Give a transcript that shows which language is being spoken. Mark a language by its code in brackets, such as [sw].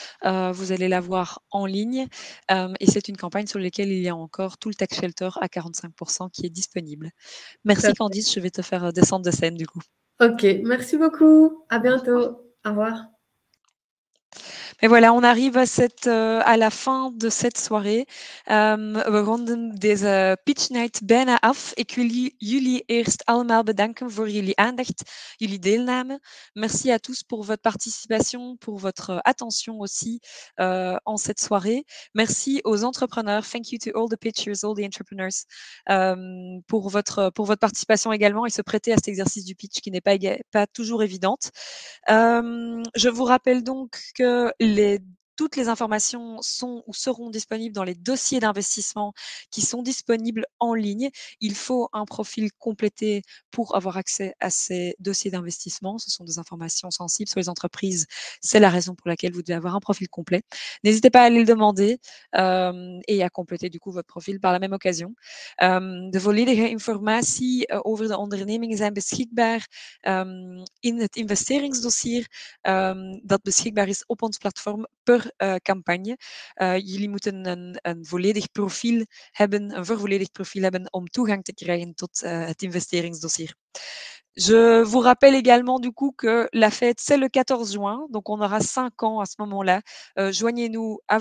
[fr] Vous allez la voir en ligne. Et c'est une campagne sur laquelle il y a encore tout le Tech Shelter à 45% qui est disponible. Merci Candice, je vais te faire descendre de scène du coup. Ok, merci beaucoup. À bientôt. Au revoir. Et voilà, on arrive à la fin de cette soirée. [nl] We wanted this pitch night bijna af. Ik wil jullie eerst allemaal bedanken voor jullie aandacht, jullie deelname. [fr] Merci à tous pour votre participation, pour votre attention aussi en cette soirée. Merci aux entrepreneurs. [en] Thank you to all the pitchers, all the entrepreneurs, [fr] pour votre participation également et se prêter à cet exercice du pitch qui n'est pas toujours évidente. Je vous rappelle donc que toutes les informations sont ou seront disponibles dans les dossiers d'investissement qui sont disponibles en ligne. Il faut un profil complété pour avoir accès à ces dossiers d'investissement. Ce sont des informations sensibles sur les entreprises. C'est la raison pour laquelle vous devez avoir un profil complet. N'hésitez pas à aller le demander et à compléter du coup votre profil par la même occasion. [nl] De volledige informatie over de onderneming zijn beschikbaar in het investeringsdossier dat beschikbaar is op ons platform per campagne. Jullie moeten een volledig profiel hebben, een vervolledig profiel hebben om toegang te krijgen tot het investeringsdossier. [fr] Je vous rappelle également du coup que la fête c'est le 14 juin, donc on aura 5 ans à ce moment-là. Joignez-nous